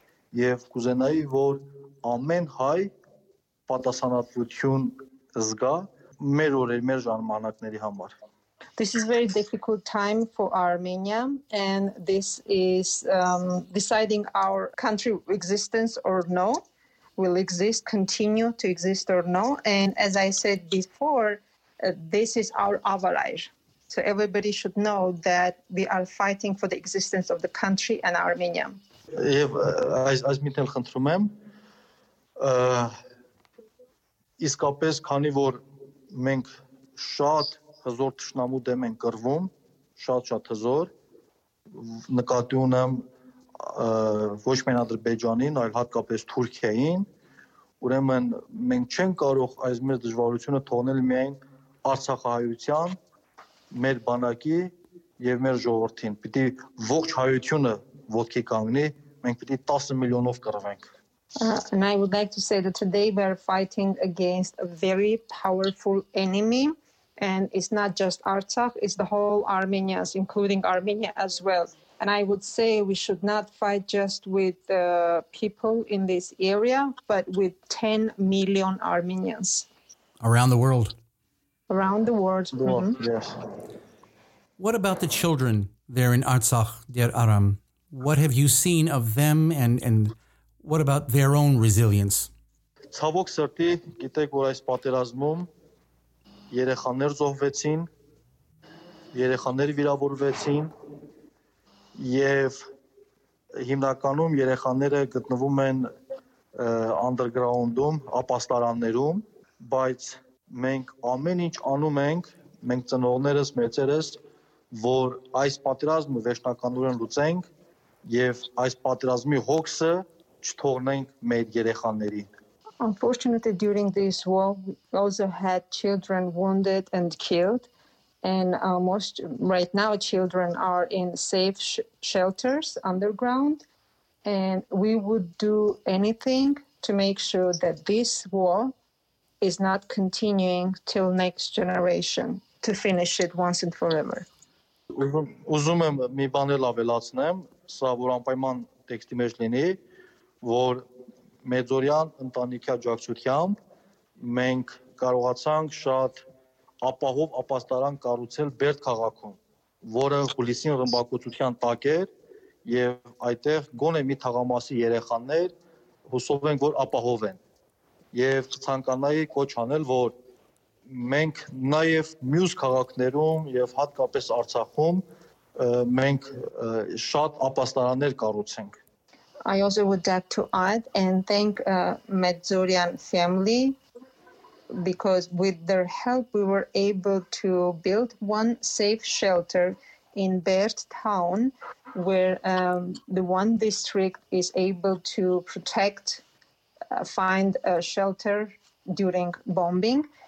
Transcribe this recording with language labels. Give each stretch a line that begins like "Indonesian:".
Armenian: Ամեն հայ պատասխանատվություն զգա մեր օրեր, մեր ժամանակների համար։
English: This is a very difficult time for Armenia, and this is deciding our country existence or no, will exist, continue to exist or no. And as I said before, this is our avarayr. So everybody should know that we are fighting for the existence of the country and Armenia.
Armenian: Եվ այս միտքը խնդրում եմ, իսկապես, քանի որ մենք շատ հզոր թշնամու դեմ ենք կռվում, շատ-շատ հզոր, նկատի ունեմ ոչ միայն Ադրբեջանին, այլ հատկապես Թուրքիային, ուրեմն մենք չենք կարող այս մեր դժվարությունը թողնել միայն Արցախահայության, մեր բանակի և մեր ժողովրդին, պիտի ողջ հայությունը ոտքի կանգնի, մենք պիտի 10 միլիոնով կռվենք։
English: And I would like to say that today we are fighting against a very powerful enemy, and it's not just Artsakh, it's the whole Armenians, including Armenia as well. And I would say we should not fight just with the people in this area, but with 10 million Armenians. Around the world. Around the world. Yes. What about the children there in Artsakh, Der Aram? What have you seen of them and what about their own resilience?
Armenian: Ցավոք սրտի, գիտեք, որ այս պատերազմում երեխաներ զոհվեցին, երեխաներ վիրավորվեցին, եւ հիմնականում երեխաները գտնվում են underground-ում, ապաստարաններում, բայց մենք ամեն ինչ անում ենք, մենք ծնողներս, մեծերս, որ այս պատերազմը վերջնականորեն լուծենք եւ այս պատերազմի հոգսը չթողնենք մեր երեխաներին։
English: Unfortunately, during this war, we also had children wounded and killed, and most right now children are in safe shelters underground, and we would do anything to make sure that this war is not continuing till next generation, to finish it once and forever.
Armenian: Ուզում եմ մի բան էլ ավելացնեմ, սա որ անպայման տեքստի մեջ լինի, որ մեծորյան ընտանիքի աջակցությամբ մենք կարողացանք շատ ապահով ապաստարան կառուցել Բերդ քաղաքում, որը հուլիսին ռմբակոծության տակ էր, եւ այդտեղ գոնե մի թաղամասի երեխաներ հուսով են, որ ապահով են, եւ ցանկանայի կոչ անել, որ մենք նաեւ մյուս քաղաքներում եւ հատկապես Արցախում մենք շատ ապաստարաններ կառուցենք։
English: I also would like to add and thank Medzorian family, because with their help we were able to build one safe shelter in Bert town, where the one district is able to protect, find a shelter during bombing.